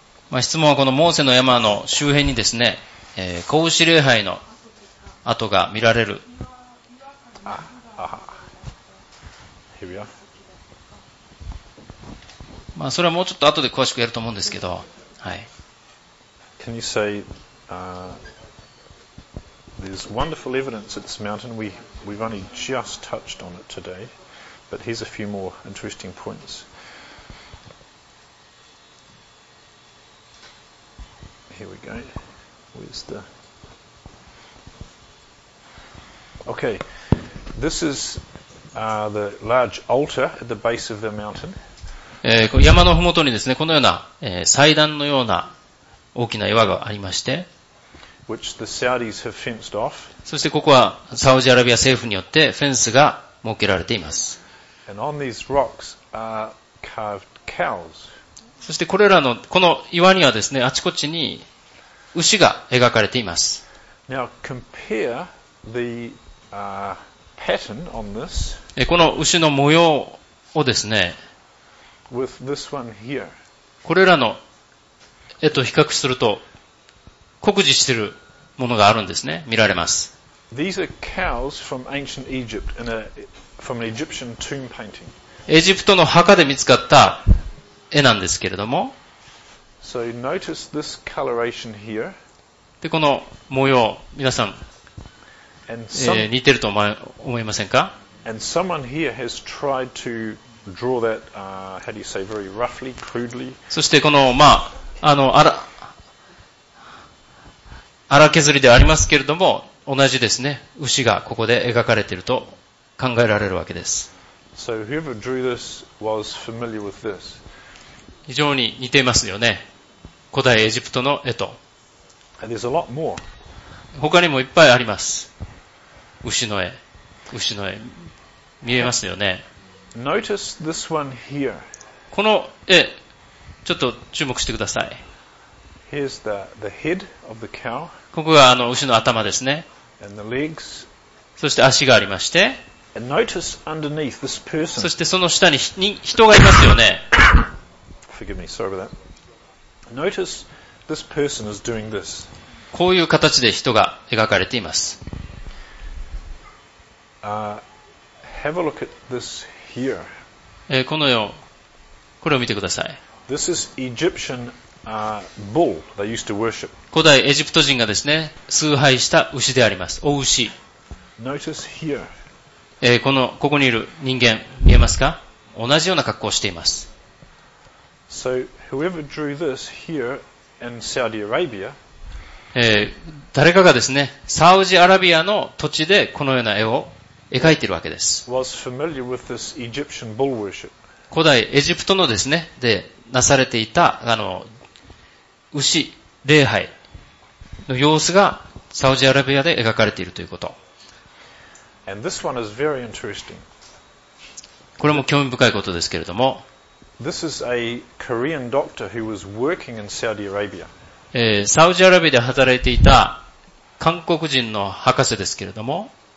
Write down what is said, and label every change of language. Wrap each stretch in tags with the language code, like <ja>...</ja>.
<ja>まあ、質問はこのモーセの山の周辺にですね、子牛礼拝の跡が見られる。まあ、それはもうちょっと後で詳しくやると思うんですけど、はい。</ja> <en>Can you say, there's wonderful evidence at this mountain. We've only just touched on it today, but here's a few more interesting points. Here we go. Where's the... Okay. This is the large altar at the base of the mountain.</en> <ja>山のふもとにですね、このような、祭壇のような大きな岩がありまして、</ja> <en>which the Saudis have fenced off.</en> <ja>そしてここはサウジアラビア政府によってフェンスが設けられています。</ja> <en>And on these rocks are carved cows.</en> <ja>そしてこれらの、この岩にはですね、あちこちに牛が描かれています。</ja> <en>Now compare the, pattern on this.</en> <ja>この牛の模様をですね、</ja> <en>with this one here.</en> <ja>これらの絵と比較すると、酷似しているものがあるんですね。見られます。</ja> <en>These are cows from ancient Egypt in a, from an Egyptian tomb painting.</en> <ja>エジプトの墓で見つかった絵なんですけれども、</ja> <en>So notice this coloration here.</en> <ja>で、この模様、皆さん、似てると思いませんか?</ja> <en>And someone here has tried to draw that, how do you say, very roughly, crudely.</en> <ja>そして、この、まあ、荒削りではありますけれども、同じですね、牛がここで描かれていると考えられるわけです。</ja> <en>So whoever drew this was familiar with this.</en> <ja>非常に似ていますよね。古代エジプトの絵と。</ja> <en>And there's a lot more.</en> <ja>他にもいっぱいあります。牛の絵。見えますよね。</ja> <en>Notice this one here.</en> <ja>この絵、ちょっと注目してください。</ja> <en>Here's the head of the cow.</en> <ja>ここが牛の頭ですね。</ja> <en>And the legs.</en> <ja>そして足がありまして。</ja> <en>And notice underneath this person.</en> <ja>そしてその下に人がいますよね。</ja> <en>Forgive me, sorry about that. Notice this person is doing this.</en> <ja>こういう形で人が描かれています。</ja> <en>Have a look at this here.</en> <ja>このよう、これを見てください。</ja> <en>This is Egyptian bull they used to worship.</en> <ja>古代エジプト人がですね、崇拝した牛であります。お牛。</ja> <en>Notice here.</en> <ja>ここにいる人間、見えますか?同じような格好をしています。</ja> <en>So, whoever drew this here in Saudi Arabia,</en> <ja>誰かがですね、サウジアラビアの土地でこのような絵を描いているわけです。</ja> <en>Was familiar with this Egyptian bull worship.</en> <ja>古代エジプトのですね、で、なされていた、牛、礼拝の様子がサウジアラビアで描かれているということ。</ja> <en>And this one is very interesting.</en> <ja>これも興味深いことですけれども、</ja> <en>This is a Korean doctor who was working in Saudi Arabia.</en> <ja>サウジアラビアで働いていた韓国人の博士ですけれども、</ja>